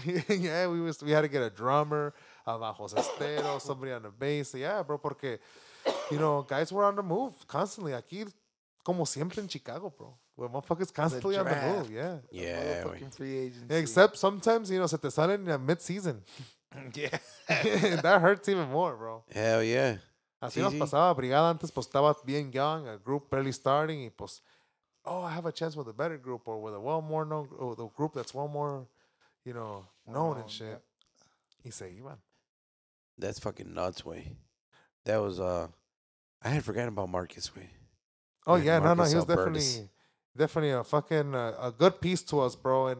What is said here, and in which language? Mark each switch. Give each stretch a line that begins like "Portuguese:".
English: Yeah, we had to get a drummer, a bajo sestero, somebody on the bass. Yeah, bro, porque, you know, guys were on the move constantly.
Spanish: Aquí, como siempre en Chicago,
English: bro. Where motherfuckers constantly on the move, yeah. Yeah. Fucking free agency. Except sometimes, you know,
Spanish: se te salen
English: in mid-season. Yeah. That hurts even more, bro. Hell yeah.
Spanish: Así nos pasaba. Brigada antes, pues, estaba bien young,
English: a group barely starting,
Spanish: y pues...
English: Oh, I have a chance with a better group or with a well more known or the group that's well more, you know, known and shit.
Spanish: Y se iban.
English: That's fucking nuts, way. That was I had forgotten about Marquez, way. Oh yeah, Marquez no, he was definitely a fucking a good piece to us, bro.